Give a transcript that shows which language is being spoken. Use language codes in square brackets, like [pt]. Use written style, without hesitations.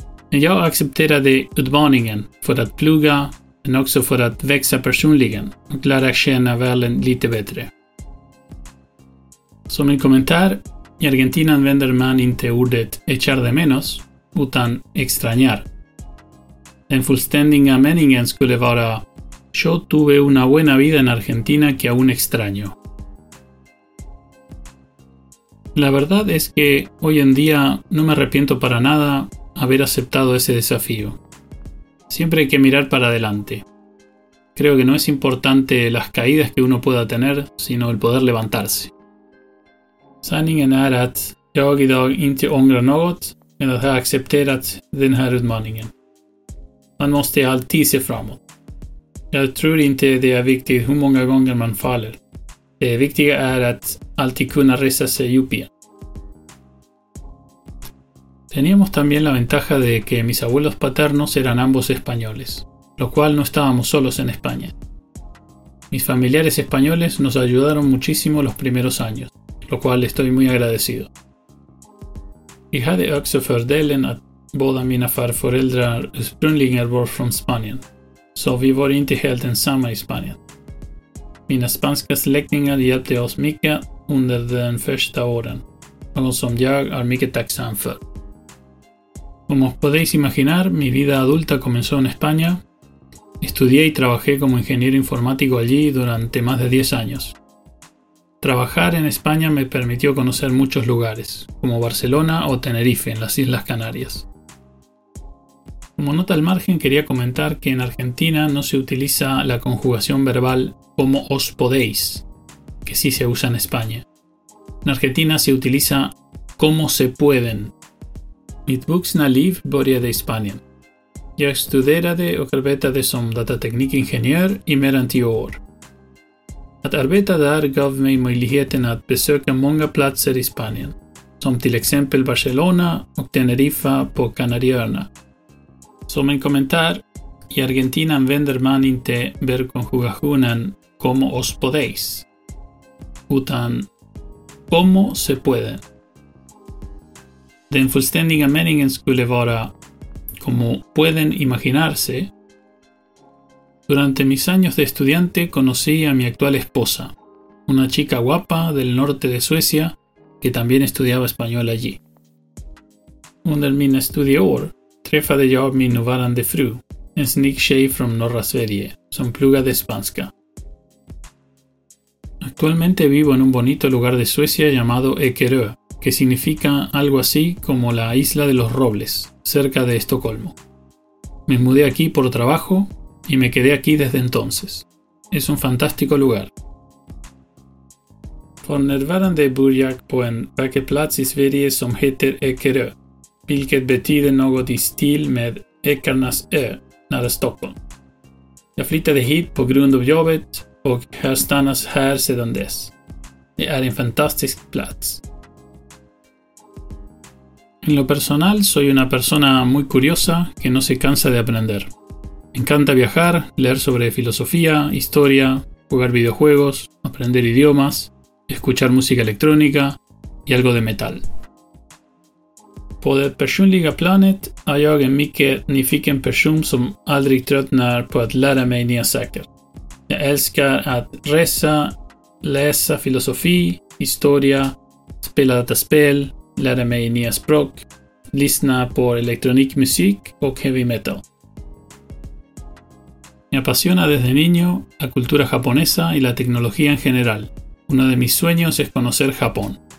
[sv] Men jag accepterade utmaningen för att plugga, men också för att växa personligen och lära känna världen lite bättre. Som en kommentar, i Argentina använder man inte ordet [es] echar de menos, [sv] utan extrañar. Den fullständiga meningen skulle vara [es] yo tuve una buena vida en Argentina que aún extraño. La verdad es que hoy en día no me arrepiento para nada haber aceptado ese desafío. Siempre hay que mirar para adelante. Creo que no es importante las caídas que uno pueda tener, sino el poder levantarse. [sv] Sanningen är att jag idag inte ångrar något, men att jag accepterat den här utmaningen. Man måste alltid se framåt. Jag tror inte det är viktigt hur många gånger man faller. Det viktiga är att alltid kunna resa sig upp igen. [es] Teníamos también la ventaja de que mis abuelos paternos eran ambos españoles, lo cual no estábamos solos en España. Mis familiares españoles nos ayudaron muchísimo los primeros años, lo cual estoy muy agradecido. [sv] Vi hade också fördelen att båda mina farföräldrar ursprungligen var från Spanien, så vi var inte helt ensamma i Spanien. Mina spanska släktingar hjälpte oss mycket under den första åren, något som jag är mycket tacksam för. [es] Como os podéis imaginar, mi vida adulta comenzó en España. Estudié y trabajé como ingeniero informático allí durante más de 10 años. Trabajar en España me permitió conocer muchos lugares, como Barcelona o Tenerife, en las Islas Canarias. Como nota al margen, quería comentar que en Argentina no se utiliza la conjugación verbal como os podéis, que sí se usa en España. En Argentina se utiliza como se pueden. [sv] Mitt vuxna liv började i Spanien. Jag studerade och arbetade som datateknikingenjör i mer än 10 år. Att arbeta där gav mig möjligheten att besöka många platser i Spanien, som till exempel Barcelona och Tenerife på Kanarieöarna. Som en kommentar, i Argentina använder man inte verbkonjugationen [es] como os podéis, [sv] utan [es] como se pueden. [sv] Den fullständiga meningen skulle vara [es] como pueden imaginarse. Durante mis años de estudiante conocí a mi actual esposa, una chica guapa del norte de Suecia que también estudiaba español allí. [sv] Under mina studieår träffade jag min nuvarande fru, en snygg tjej från norra Sverige, som pluggade spanska. [es] Actualmente vivo en un bonito lugar de Suecia llamado Ekerö, que significa algo así como la isla de los robles, cerca de Estocolmo. Me mudé aquí por trabajo y me quedé aquí desde entonces. Es un fantástico lugar. [sv] För närvarande bor jag på en vacker plats i Sverige som heter Ekerö, vilket betyder något i stil med Ekernas ö nära Stockholm. Jag flyttade hit på grund av jobbet och har stannat här sedan dess. Det är en fantastisk plats. [es] En lo personal, soy una persona muy curiosa que no se cansa de aprender. encanta viajar, leer sobre filosofía, historia, jugar videojuegos, aprender idiomas, escuchar música electrónica y algo de metal. [sv] På det personliga planet har jag en mycket nyfiken person som aldrig tröttnar på att lära mig nya saker. Jag älskar att resa, läsa filosofi, historia, spela dataspel, lära mig nya språk, lyssna på elektronik musik och heavy metal. [es] Me apasiona desde niño la cultura japonesa y la tecnología en general. Uno de mis sueños es conocer Japón.